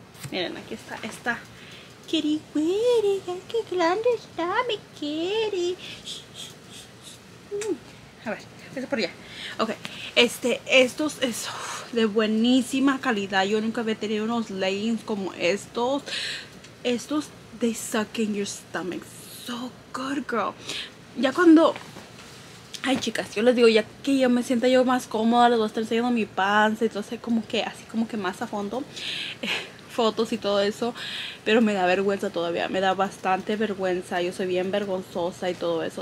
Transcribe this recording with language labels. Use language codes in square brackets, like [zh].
[es] Miren, aquí está esta Kitty Witty. Qué grande está mi Kitty. A ver, eso por allá. Ok, estos es de buenísima calidad. Yo nunca había tenido unos leggings como estos. Estos, [en] they suck in your stomach so good, girl. [es] Ya cuando, ay chicas, yo les digo, ya que yo me sienta yo más cómoda, les voy a estar enseñando mi panza, entonces como que así como que más a fondo. fotos y todo eso, pero me da vergüenza todavía, me da bastante vergüenza, yo soy bien vergonzosa y todo eso.